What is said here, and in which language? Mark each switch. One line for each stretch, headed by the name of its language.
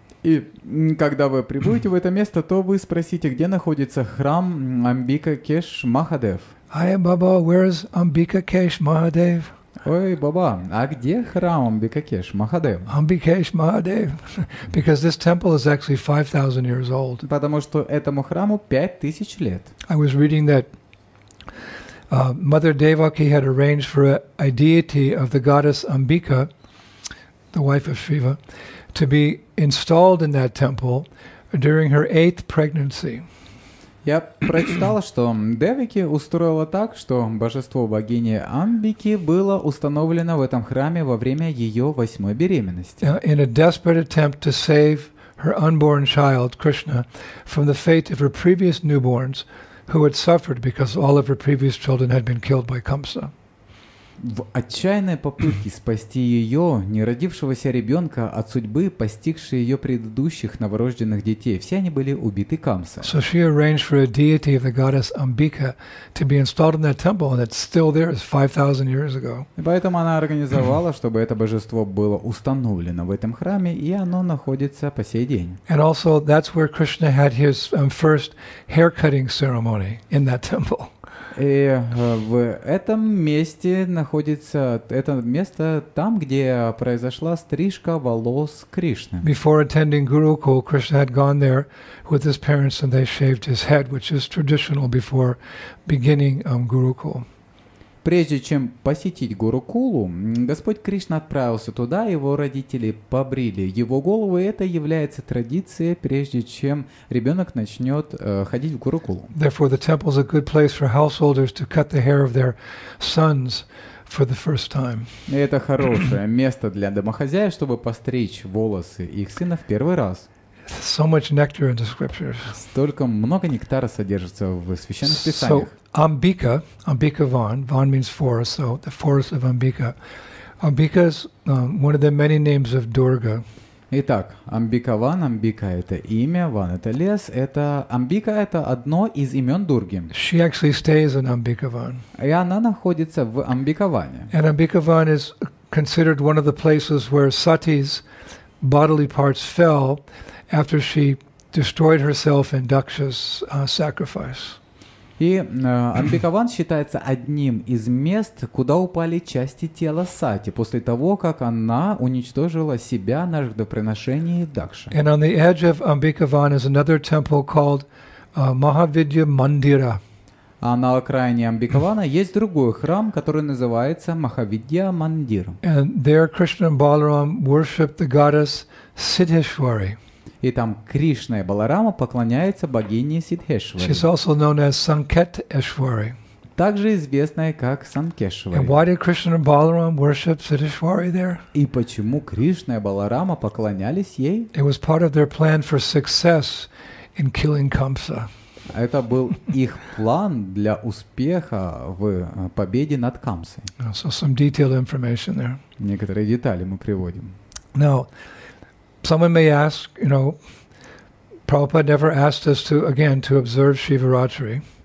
Russian: И когда вы прибудете в это место, то вы спросите, где находится храм Амбикакеш Махадев.
English: Hi, Baba, where is Амбикакеш Махадев?
Russian: Ой, Баба, а где храм Амбикакеш Махадев?
English: Амбикакеш Махадев, because this temple is actually 5,000 years old.
Russian: Потому что этому храму 5,000 лет.
English: I was reading that Mother Devaki had arranged for a deity of the goddess Ambika, the wife of Shiva, to be installed in that temple during her eighth pregnancy.
Russian: Я прочитал, что Девики устроила так, что божество богини Амбики было установлено в этом храме во время ее восьмой беременности.
English: In a desperate attempt to save her unborn child, Krishna, from the fate of her previous newborns, who had suffered because all of her previous children had been killed by Kamsa.
Russian: В отчаянной попытке спасти ее неродившегося ребенка от судьбы, постигшей ее предыдущих новорожденных детей, все они были убиты Камса.
English: So she arranged for a deity of the goddess Ambika to be installed in that temple, and it's still there, it's 5,000 years ago.
Russian: И поэтому она организовала, чтобы это божество было установлено в этом храме, и оно находится по сей день.
English: And also that's where Krishna had his first haircutting ceremony in that temple.
Russian: И в этом месте находится это место, там, где произошла стрижка волос Кришны.
English: Before attending Gurukul, Krishna had gone there with his parents, and they shaved his head, which is traditional before beginning Gurukul.
Russian: Прежде чем посетить Гурукулу, Господь Кришна отправился туда, его родители побрили его голову, и это является традицией, прежде чем ребенок начнет ходить в Гурукулу.
English: Therefore, the temple is a good place for householders to cut the hair of their sons for the first time.
Russian: И это хорошее место для домохозяев, чтобы постричь волосы их сына в первый раз.
English: So much nectar in the scriptures.
Russian: Столько много нектара содержится в священных писаниях.
English: Ambika, Ambika Van, Van means forest, so the forest of Ambika. Ambika is one of the many names of Durga.
Russian: Итак, Ambika Van, Ambika – это имя, Van – это лес, это Ambika – это одно из имен Дурги.
English: She actually stays in Ambika Van.
Russian: И она находится в Ambika Van.
English: And Ambika Van is considered one of the places where Sati's bodily parts fell after she destroyed herself in Daksha's sacrifice.
Russian: И Амбикаван считается одним из мест, куда упали части тела Сати, после того, как она уничтожила себя на жертвоприношении Дакши.
English: And on the edge of Ambikavan is another temple called Mahavidya Mandira.
Russian: А на окраине Амбикавана есть другой храм, который называется Mahavidya Mandir.
English: And there Krishna and Balaram worshipped the goddess Siddheshwari.
Russian: И там Кришна и Баларама поклоняются богине Сиддхешвари.
English: She's also known as Sankheteshwari.
Russian: Также известная как Санкхешвари.
English: And why did Krishna and Balaram worship Siddheshwari there?
Russian: И почему Кришна и Баларама поклонялись ей?
English: It was part of their plan for success in killing Kamsa.
Russian: Это был их план для успеха в победе над Камсой.
English: So some detailed information there.
Russian: Некоторые детали мы приводим.
English: Now, someone may ask, you know, Prabhupada never asked us to, again, to observe Shivaratri.